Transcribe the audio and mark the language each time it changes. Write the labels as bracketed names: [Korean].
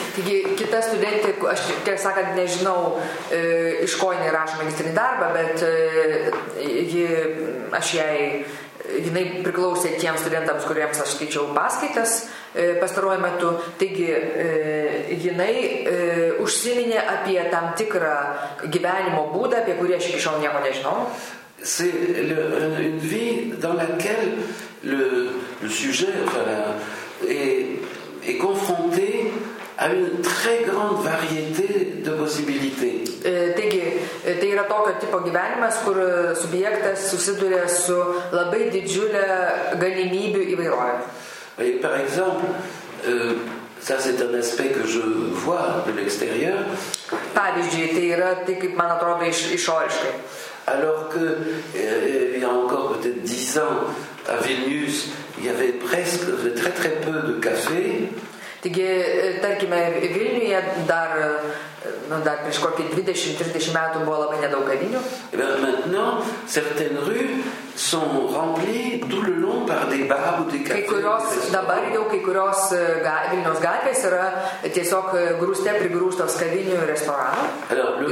[Lithuanian] Taigi, kita studentė, aš tiek sakant, nežinau, iš ko jinai rašo magistrinį darbą, bet jinai priklausė tiems studentams, kuriems aš skaičiau paskaitas pastaruoju metu. Taigi, jinai užsiminė apie tam tikrą gyvenimo būdą, apie kurį aš iki šiol nieko nežinau. [French] C'est une vie dans laquelle le sujet est confronté à une très grande variété de possibilités. [Lithuanian] Taigi, tai yra tokio tipo gyvenimas, kur subjektas susiduria su labai didžiulė galimybių įvairovė. [French] Et par exemple, ça c'est un aspect que je vois de l'extérieur. [Lithuanian] Pavyzdžiui, tai yra tai, kaip man atrodo, išoriškai. [French] Alors que il y a encore peut-être 10 ans à Vilnius, il y avait presque très très peu de cafés. [Lithuanian] Taigi, tarkime, Vilniuje dar, nu, dar prieš kokį 20-30 metų buvo labai nedaug kavinių. [French] Maintenant, certaines rues sont remplies tout le long par des bars ou des cafés. [Lithuanian] Kai kurios, dabar jau kai kurios Vilniaus gatvės yra tiesiog grūste prigrūstos kavinių ir restoranų.